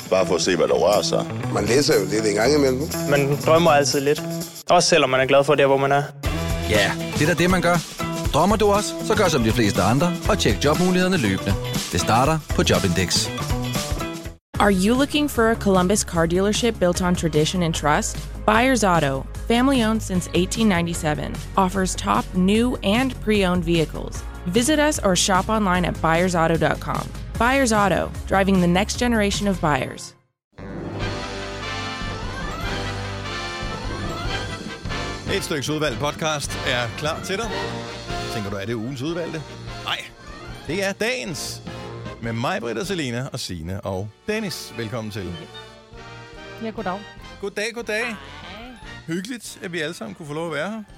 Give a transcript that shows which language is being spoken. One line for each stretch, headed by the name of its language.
Danish: Bare for at se, hvad der rører sig. Man læser jo lidt en gang imellem. Man drømmer altid lidt. Også selvom man er glad for det, hvor man er. Ja, det er da det, man gør. Drømmer du også, så gør som de fleste andre og tjek jobmulighederne løbende. Det starter på Jobindex.
English: Are you looking for a Columbus car dealership built on tradition and trust? Byers Auto, family-owned since 1897, offers top new and pre-owned vehicles. Visit us or shop online at buyersauto.com. Byers Auto, driving the next generation of buyers.
Danish: Et styks udvalg podcast er klar til dig. Tænker du, er det ugens udvalgte? Nej, det er dagens. Med mig, Britta, Selina og Signe og Dennis. Velkommen til. Ja, goddag. Goddag, goddag. Hyggeligt, at vi alle sammen kunne få lov at være her.